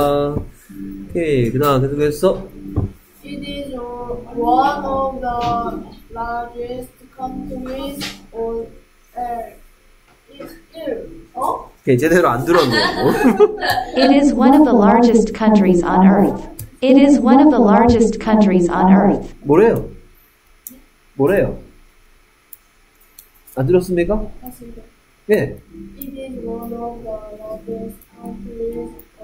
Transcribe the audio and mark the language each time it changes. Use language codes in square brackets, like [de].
[ko] 오케이, 그 다음 계속했어. [en] It is one of the largest countries on earth. [ko] 오케이, 제대로 안 들었네. [en] It is one of the largest countries on earth. It is one of the largest countries on earth. [ko] 뭐래요? 뭐래요? 안 들었습니까? 예. [en] It is one of the largest countries on earth.